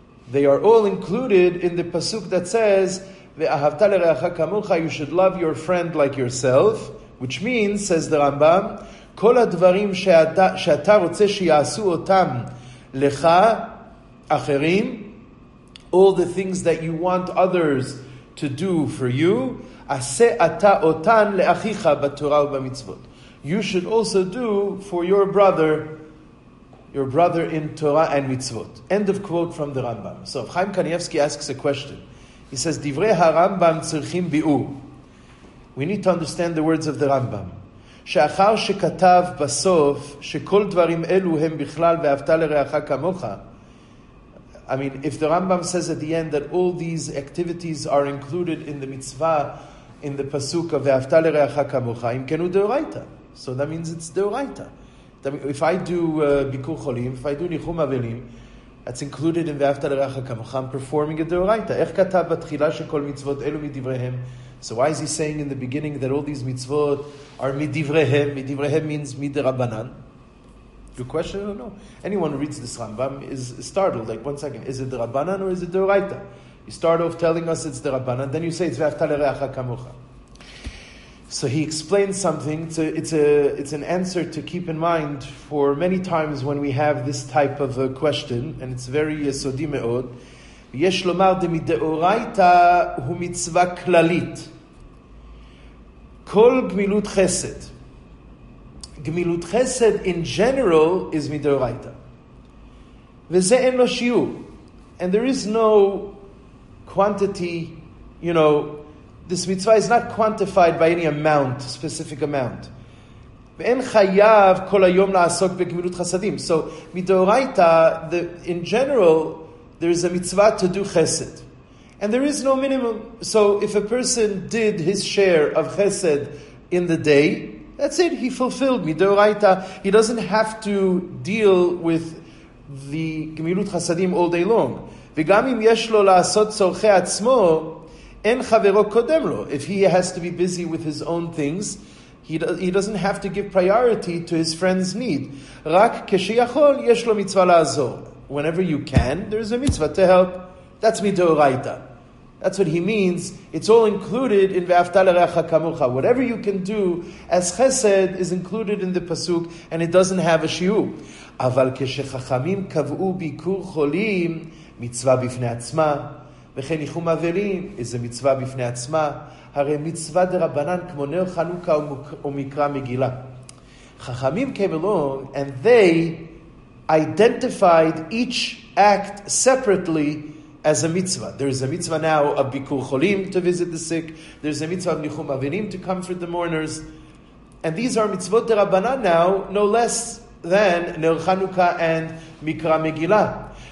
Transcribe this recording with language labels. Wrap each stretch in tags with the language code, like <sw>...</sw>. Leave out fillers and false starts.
<en>They are all included in the pasuk that says,</en> <he>ve'ahavta lereacha kamocha,</he> <en>you should love your friend like yourself, which means, says the Rambam,</en> <he>kol advarim she'ata rotze she'asu otam lecha acherim,</he> <en>all the things that you want others to do for you,</en> <he>ase ata otan leachicha b'Torah u'b'mitzvot.</he> <en>You should also do for your brother in Torah and mitzvot. End of quote from the Rambam. So Chaim Kanievsky asks a question. He says,</en> <he>"Divrei haRambam tzirchim bi'ur."</he> <en>We need to understand the words of the Rambam.</en> <he>שאחר שכתב בסוף שכל דברים אלו הם בכלל ואהבת לרעך כמוך.</he> <en>I mean, if the Rambam says at the end that all these activities are included in the mitzvah, in the pasuk of ואהבת לרעך כמוך,</en> <he>אם כן הוא דאורייתא.</he> <en>So that means it's דאורייתא. If I do ביקור חולים, if I do ניחום אבלים, that's included in ואהבת לרעך כמוך, I'm performing a דאורייתא.</en> <he>איך כתב בתחילה שכל מצוות אלו מדבריהם?</he> <en>So why is he saying in the beginning that all these mitzvot are midivrehem? Midivrehem means midrabanan. Good question, I don't know. Anyone who reads this Rambam is startled. Like, one second, is it the Rabbanan or is it the Oraita? You start off telling us it's the Rabbanan, then you say it's</en> <he>ve'avta le'reacha kamocha.</he> <en>So he explains something. It's an answer to keep in mind for many times when we have this type of a question, and it's very yesodi me'od.</en> <he>יש לומר דמדאורייתא הוא מצווה כללית. כל גמילות חסד. גמילות חסד</he> <en>in general is</en> <he>מדאורייתא. וזה אין לו שיעור.</he> <en>And there is no quantity, you know, this mitzvah is not quantified by any amount, specific amount.</en> <he>ואין חייב כל היום לעסוק בגמילות חסדים.</he> <en>So מדאורייתא, in general, there is a mitzvah to do chesed. And there is no minimum. So if a person did his share of chesed in the day, that's it, he fulfilled midoraita. He doesn't have to deal with the gemilut chasadim all day long.</en> <he>וגם אם יש לו לעשות צורכי עצמו, אין חברו קודם לו.</he> <en>If he has to be busy with his own things, He doesn't have to give priority to his friend's need.</en> <he>Rak kesheyachol yesh lo mitzvah la'azor.</he> <en>Whenever you can, there is a mitzvah to help. That's midoraita. That's what he means. It's all included in</en> <he>ve'afta l'recha kamucha.</he> <en>Whatever you can do as chesed is included in the pasuk, and it doesn't have a shiur.</en> <he>Aval kesheyachamim kavu bikur cholim mitzvah bifnei atzma. וכן ניחום אבלים, איזה מצווה בפני עצמה, הרי מצווה דרבנן כמו נר חנוכה ומקרא מגילה.</he> <en>חכמים came along and they identified each act separately as a mitzvah. There is a mitzvah now of ביקור חולים to visit the sick. There is a mitzvah of ניחום אבלים to comfort the mourners. And these are מצוות דרבנן now no less than נר חנוכה and מקרא מגילה.</en>